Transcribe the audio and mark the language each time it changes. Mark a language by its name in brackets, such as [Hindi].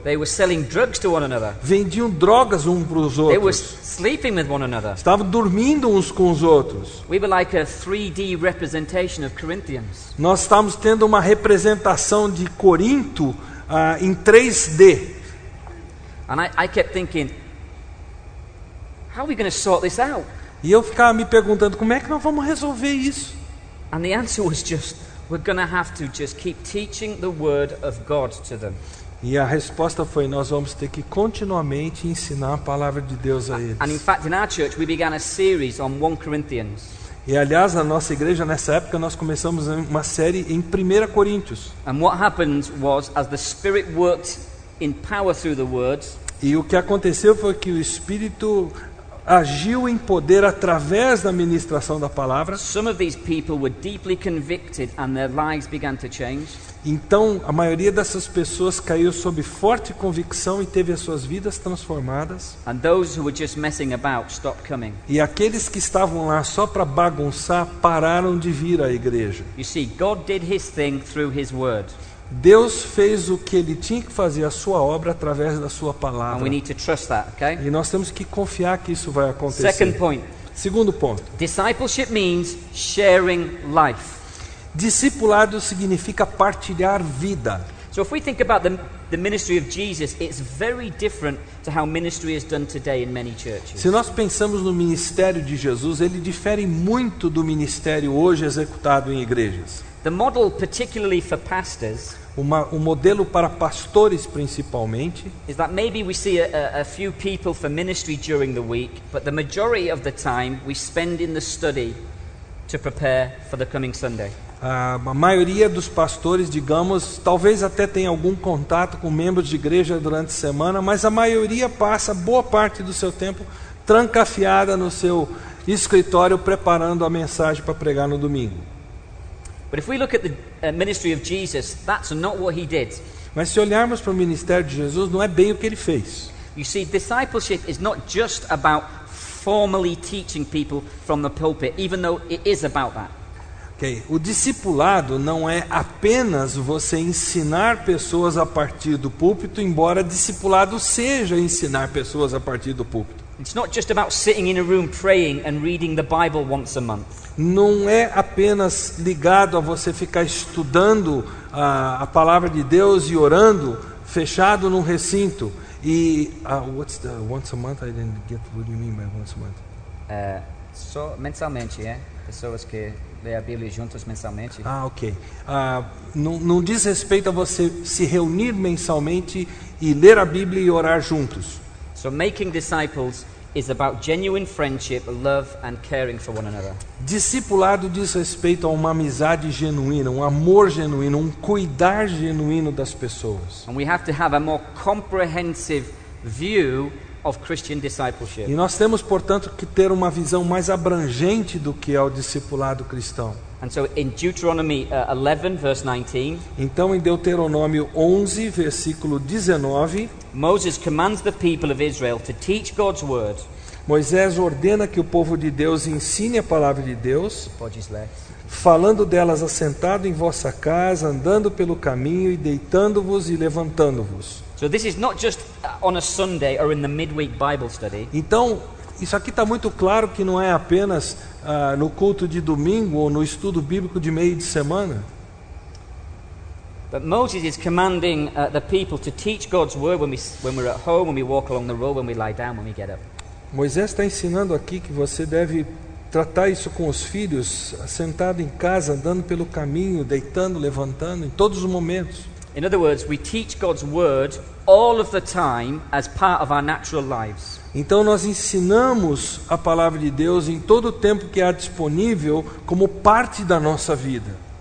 [English] They were selling drugs to one another. [Portuguese] Vendiam drogas um para os outros. [English] They were sleeping with one another. [Portuguese] Estavam dormindo uns com os outros. [English] We were like a 3D representation of Corinthians. [Portuguese] Nós estávamos tendo uma representação de Corinto em 3D. [English] And I kept thinking, how are we going to sort this out? [Portuguese] E eu ficava me perguntando como é que nós vamos resolver isso. [English] And the answer was just, we're going to have to just keep teaching the word of God to them. [Portuguese] E a resposta foi, nós vamos ter que continuamente ensinar a palavra de Deus a eles. [English] And in fact, in our church, we began a series on 1 Corinthians. [Portuguese] E aliás, na nossa igreja, nessa época, nós começamos uma série em 1 Coríntios. [English] And what happened was, as the Spirit worked in power through the words. [Portuguese] E o que aconteceu foi que o Espírito agiu em poder através da ministração da palavra. [English] Some of these people were deeply convicted and their lives began to change. [Portuguese] Então, a maioria dessas pessoas caiu sob forte convicção e teve as suas vidas transformadas. [English] And those who were just messing about stopped coming. [Portuguese] E aqueles que estavam lá só para bagunçar pararam de vir à igreja. [English] You see, God did his thing through his word. [Portuguese] Deus fez o que ele tinha que fazer, a sua obra, através da sua palavra. [English] And we need to trust that, okay? [Portuguese] E nós temos que confiar que isso vai acontecer. [English] Second point. [Portuguese] Segundo ponto. [English] Discipleship means sharing life. [Portuguese] Discipulado significa partilhar vida. [English] So if we think about the ministry of Jesus, it's very different to how ministry is done today in many churches. [Portuguese] Se nós pensamos no ministério de Jesus, ele difere muito do ministério hoje executado em igrejas. [English] The model particularly for pastors, [Portuguese] o modelo para pastores principalmente, [English] is that maybe we see a few people for ministry during the week, but the majority of the time we spend in the study to prepare for the coming Sunday. [Portuguese] A maioria dos pastores, digamos, talvez até tenha algum contato com membros de igreja durante a semana, mas a maioria passa boa parte do seu tempo trancafiada no seu escritório preparando a mensagem para pregar no domingo. [English] But if we look at the ministry of Jesus, that's not what he did. [Portuguese] Mas se olharmos para o ministério de Jesus, não é bem o que ele fez. [English] You see, discipleship is not just about formally teaching people from the pulpit, even though it is about that. Okay. [Portuguese] O discipulado não é apenas você ensinar pessoas a partir do púlpito, embora discipulado seja ensinar pessoas a partir do púlpito. [English] It's not just about sitting in a room praying and reading the Bible once a month. [Portuguese] Não é apenas ligado a você ficar estudando a palavra de Deus e orando fechado num recinto e [English] what's the once a month? [Portuguese] I didn't get what you mean by once a month. Só mensalmente, é? Pessoas que lê a Bíblia juntas mensalmente. Ah, ok. Não diz respeito a você se reunir mensalmente e ler a Bíblia e orar juntos. [English] So making disciples is about genuine friendship, love and caring for one another. [Portuguese] Discipulado diz respeito a uma amizade genuína, um amor genuíno, um cuidar genuíno das pessoas. [English] And we have to have a more comprehensive view of Christian discipleship. [Portuguese] E nós temos, portanto, que ter uma visão mais abrangente do que é o discipulado cristão. [English] And so in Deuteronomy 11 verse 19. [Portuguese] Então em Deuteronômio 11 versículo 19, [English] Moses commands the people of Israel to teach God's word. [Portuguese] Moisés ordena que o povo de Deus ensine a palavra de Deus, falando delas assentado em vossa casa, andando pelo caminho e deitando-vos e levantando-vos. [English] So this is not just on a Sunday or in the midweek Bible study. [Portuguese] Então, isso aqui está muito claro que não é apenas no culto de domingo ou no estudo bíblico de meio de semana. [English] But Moses is commanding the people to teach God's word when we're at home, when we walk along the road, when we lie down, when we get up. [Portuguese] Moisés está ensinando aqui que você deve tratar isso com os filhos, sentado em casa, andando pelo caminho, deitando, levantando, em todos os momentos. [English] In other words, we teach God's word all of the time as part of our natural lives. [Portuguese] Então nós ensinamos a palavra de Deus em todo o tempo que há disponível como parte da nossa vida.